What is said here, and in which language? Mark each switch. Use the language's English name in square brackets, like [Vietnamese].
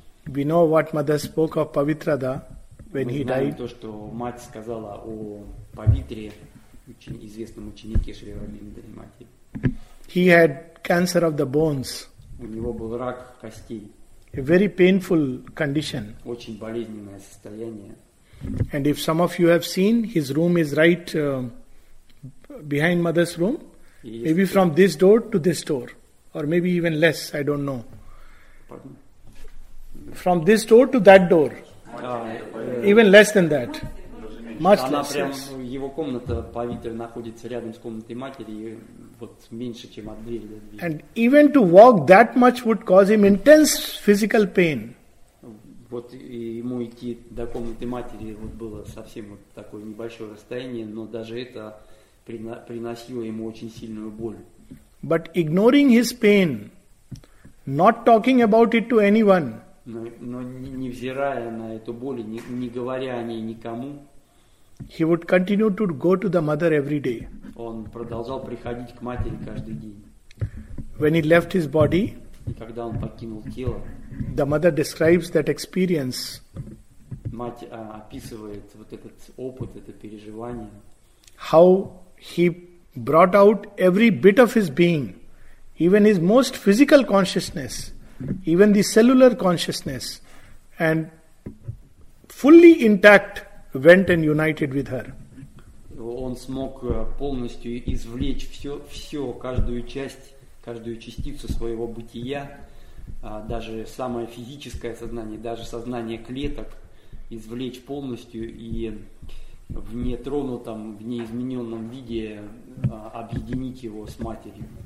[English] We know what mother spoke of Pavitrada when he died. [Russian] Мы знаем то, что мать сказала о Павитре, известном ученике Шри Аурабинда и Мати. [English] He had cancer of the bones. [Russian] У него был рак костей. [English] A very painful condition. [Russian] Очень болезненное состояние. [English] And if some of you have seen, his room is right behind mother's room. Maybe from this door to this door. Or maybe even less, I don't know. Pardon? From this door to that door. Even less than that. Much less, yes. [Russian] Его комната, Павитра, находится рядом с комнатой матери, вот меньше, чем от двери. [English] And even to walk that much would cause him intense physical pain. [Russian] Вот ему идти до комнаты матери вот было совсем вот такое небольшое расстояние, но даже это приносило ему очень сильную боль. [English] But ignoring his pain, not talking about it to anyone. [Russian] Но невзирая на эту боль, не говоря о ней никому. [English] He would continue to go to the mother every day. [Russian] Он продолжал приходить к матери каждый день. [English] When he left his body, [Russian] и когда он покинул тело, [English] the mother describes that experience. [Russian] Мать описывает вот этот опыт, это переживание. [English] How he brought out every bit of his being, even his most physical consciousness, even the cellular consciousness, and fully intact went and united with her. [Russian] Он смог полностью извлечь все, каждую часть, каждую частицу своего бытия, даже самое физическое сознание, даже сознание клеток, извлечь полностью и в нетронутом, в неизмененном виде объединить его с матерью.